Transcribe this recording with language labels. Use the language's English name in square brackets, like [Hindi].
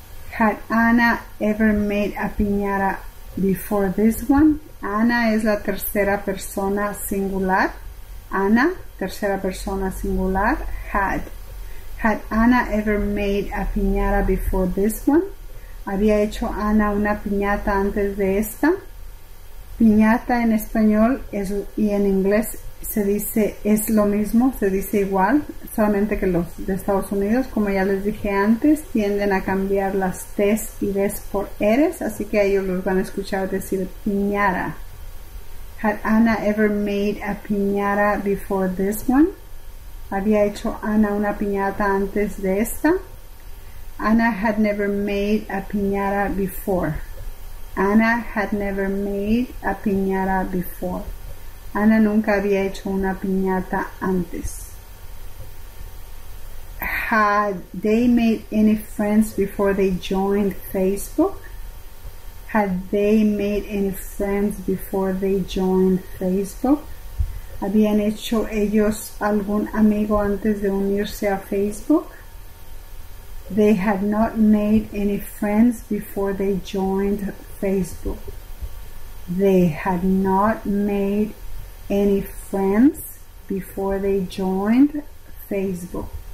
[English] Had Anna ever made a piñata before this one? [Spanish] Anna es la tercera persona singular. Anna, tercera persona singular, had. [English] Had Anna ever made a piñata before this one? [Spanish] ¿Había hecho Anna una piñata antes de esta? Piñata en español es, y en inglés se dice, es lo mismo, se dice igual, solamente que los de Estados Unidos, como ya les dije antes, tienden a cambiar las T's y D's por eres, así que ellos los van a escuchar decir piñata. [English] Had Anna ever made a piñata before this one? [Spanish] ¿Había hecho Anna una piñata antes de esta? [English] Anna had never made a piñata before. Anna had never made a piñata before. [Spanish] Anna nunca había hecho una piñata antes. [English] Had they made any friends before they joined Facebook? Had they made any friends before they joined Facebook? [Spanish] ¿Habían hecho ellos algún amigo antes de unirse a Facebook? [English] They had not made any friends before they joined Facebook. They had not made any friends before they joined Facebook.